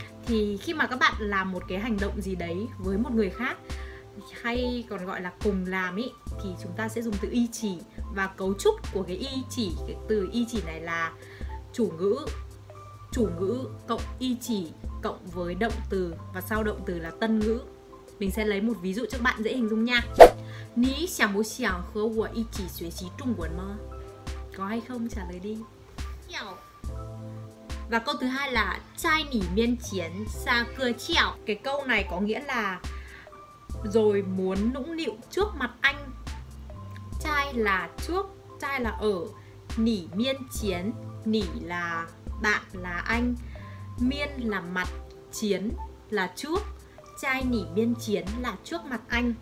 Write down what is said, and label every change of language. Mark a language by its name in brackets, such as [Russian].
[Vietnamese] Thì khi mà các bạn làm một cái hành động gì đấy với một người khác, hay còn gọi là cùng làm ý, thì chúng ta sẽ dùng từ y chỉ. Và cấu trúc của cái y chỉ, cái từ y chỉ này là chủ ngữ, chủ ngữ cộng y chỉ cộng với động từ, và sau động từ là tân ngữ. Mình sẽ lấy một ví dụ cho các bạn dễ hình dung nha. [Chinese] 你想不想和我一起学习中文吗? [Vietnamese] Có hay không? Trả lời đi. Và câu thứ hai là [Chinese] 在你面前撒个娇. [Vietnamese] Cái câu này có nghĩa là rồi muốn nũng nịu trước mặt anh. Trai là trước, trai là ở, nỉ miên chiến, nỉ là bạn, là anh, miên là mặt, chiến là trước, trai nỉ miên chiến là trước mặt anh.